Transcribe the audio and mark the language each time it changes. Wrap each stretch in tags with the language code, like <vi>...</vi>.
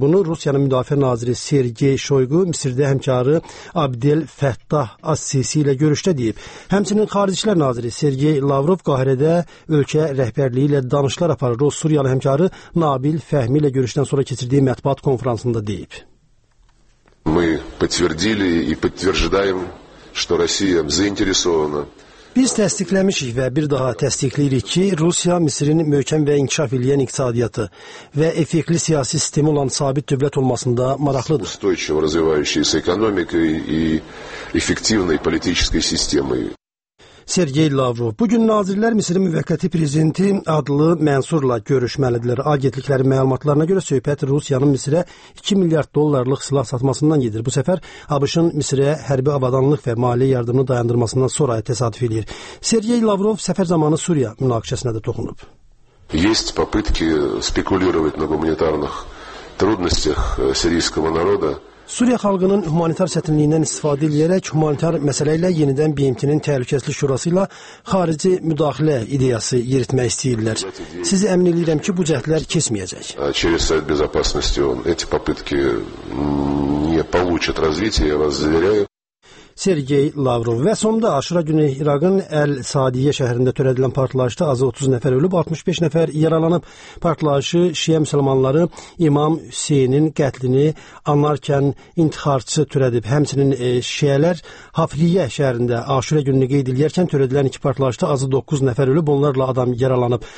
<az>Bunu Rusiyanın müdafiə naziri Sergey Şoygu Misirdə həmkarı Abdel Fəttah Assisi ilə görüşdə deyib. Həmçinin xarici işlər naziri Sergey Lavrov Qahirədə ölkə rəhbərliyi ilə danışıqlar aparır. Rus-Suriyalı həmkarı Nabil Fəhmi ilə görüşdən sonra keçirdiyi mətbuat konfransında deyib.</az> <ru>Мы подтвердили и подтверждаем, что Россия заинтересована.</ru> <az>Biz təsdiqləmişik və bir daha təsdiqləyirik ki, Rusiya Misirin möhkəm və inkişaf edən iqtisadiyyatı və effektli siyasi sistemi olan sabit dövlət olmasında maraqlıdır.</az> <ru>Устойчивой развивающейся экономикой и эффективной политической системой.</ru> <az>Sergey Lavrov, bugün nazirlər Misirin müvəqqəti prezidenti adlı Mənsurla görüşməlidirlər. Agentliklərin məlumatlarına görə söhbət Rusiyanın Misirə 2 milyard dollarlıq silah satmasından gedir. Bu səfər ABŞ-ın Misirə hərbi avadanlıq və maliyyə yardımını dayandırmasından sonra təsadüf edir. Sergey Lavrov səfər zamanı Suriya münaqişəsinə də toxunub.</az> <ru>Есть попытки спекулировать на гуманитарных трудностях сирийского народа.</ru> <az>Suriya xalqının humanitar çətinliyindən istifadə edərək humanitar məsələ ilə yenidən BMT-nin Təhlükəsizlik Şurası ilə xarici müdaxilə ideyası yeritmək istəyirlər. Sizi əmin edirəm ki, bu cəhdlər keçməyəcək.</az> <ru>Через Совет Безопасности он эти попытки не получат развития, я вас заверяю.</ru> <az>Sergey Lavrov. Və sonda Aşura günü İraqın Əl-Sadiyyə şəhərində törədilən partlayışda azı 30 nəfər ölüb, 65 nəfər yaralanıb. Partlayışı Şiə müsəlmanları İmam Hüseynin qətlini anarkən intiharçı törədib. Həmçinin Şiələr Hafriyyə şəhərində Aşura gününü qeyd edərkən törədilən iki partlayışda azı 9 nəfər ölüb, onlarla adam yaralanıb.</az>